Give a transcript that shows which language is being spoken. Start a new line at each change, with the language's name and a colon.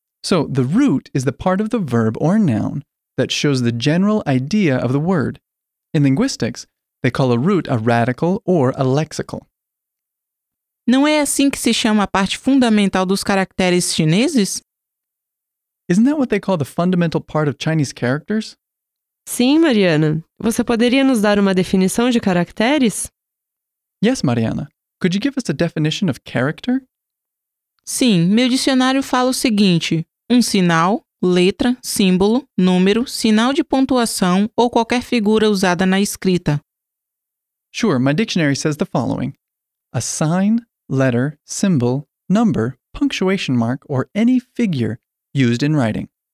English: So, the root is the part of the verb or noun that shows the general idea of the word. In linguistics, they call a root a radical or a lexical.
Portuguese: Não é assim que se chama a parte fundamental dos caracteres chineses?
English: Isn't that what they call the fundamental part of Chinese characters?
Portuguese: Sim, Mariana. Você poderia nos dar uma definição de caracteres?
English: Yes, Mariana. Could you give us a definition of character?
Portuguese: Sim, meu dicionário fala o seguinte: um sinal, letra, símbolo, número, sinal de pontuação ou qualquer figura usada na escrita.
English: Sure, my dictionary says the following: a sign, letter, symbol, number, punctuation mark, or any figure used in writing.